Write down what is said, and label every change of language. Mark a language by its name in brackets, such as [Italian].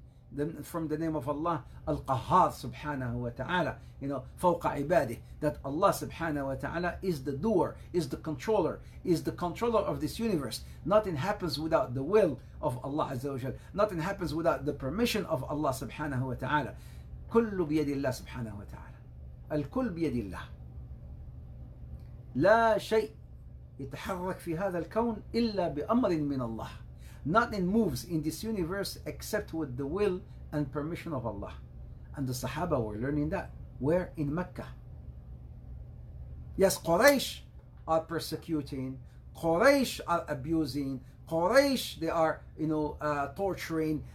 [English] Then from the name of Allah, Al-Qahhar subhanahu wa ta'ala, you know, [Arabic] فَوْقَ عِبَادِهِ. [English] That Allah subhanahu wa ta'ala is the doer, is the controller, is the controller of this universe. Nothing happens without the will of Allah azza wa jal. Nothing happens without the permission of Allah subhanahu wa ta'ala. [Arabic] كُلُّ بِيَدِ اللَّهِ subhanahu wa ta'ala. Al-kul بِيَدِ اللَّهِ. لا شيء يتحرك في هذا الكون إلا بأمر من الله. [English] Nothing moves in this universe except with the will and permission of Allah. And the Sahaba were learning that. Where? In Mecca. Yes, Quraysh are persecuting. Quraysh are abusing. Quraysh, they are, you know, torturing.